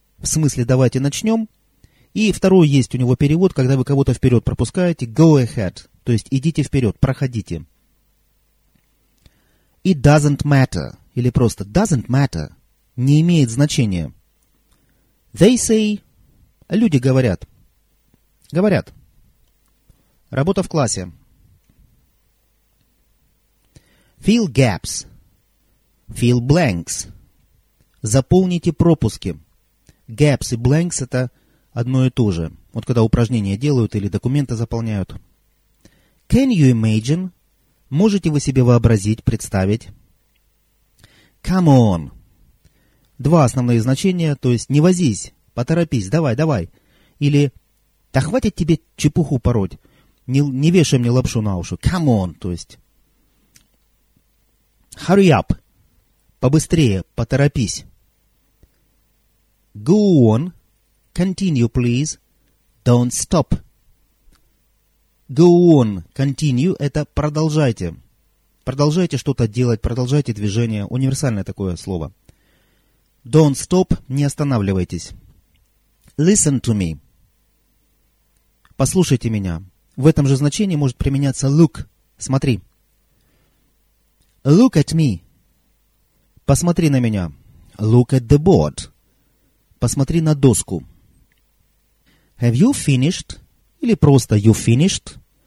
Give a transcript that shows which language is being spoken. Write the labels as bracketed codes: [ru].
[ru] в смысле «давайте начнем». И второй есть у него перевод, когда вы кого-то вперед пропускаете, [en] «go ahead», [ru] то есть «идите вперед», «проходите». [en] «It doesn't matter», [ru] или просто [en] «doesn't matter», [ru] «не имеет значения». [en] «They say», [ru] «люди говорят», «говорят», «работа в классе». [en] «Fill gaps», «fill blanks», [ru] «заполните пропуски». «Gaps» и «blanks» — это одно и то же. Вот когда упражнения делают или документы заполняют. [en] «Can you imagine?» [ru] «Можете вы себе вообразить, представить?» [en] «Come on!» [ru] Два основные значения, то есть «не возись», «поторопись», «давай, давай». Или «да хватит тебе чепуху пороть», «не вешай мне лапшу на уши», [en] «come on», [ru] то есть [en] «hurry up», [ru] «побыстрее», «поторопись». [en] «Go on», «continue, please», «don't stop». «Go on», «continue» — [ru] это «продолжайте». «Продолжайте что-то делать», «продолжайте движение» — универсальное такое слово. [en] «Don't stop» — [ru] «не останавливайтесь». [en] «Listen to me» — [ru] «послушайте меня». В этом же значении может применяться «look» — «смотри». [en] «Look at me» [ru] — «посмотри на меня». [en] «Look at the board» — [ru] «посмотри на доску». [en] «Have you finished» — [ru] или просто [en] «you finished»?